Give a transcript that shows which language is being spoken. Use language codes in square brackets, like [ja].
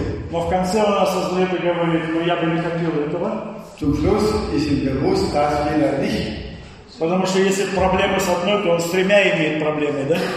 [ru] Но в конце он осознает и говорит, ну я бы не хотел этого. [de] Zum Schluss ist ihm bewusst, dass will er nicht. [ru] Потому что если проблемы с одной, то он с тремя имеет проблемы, да?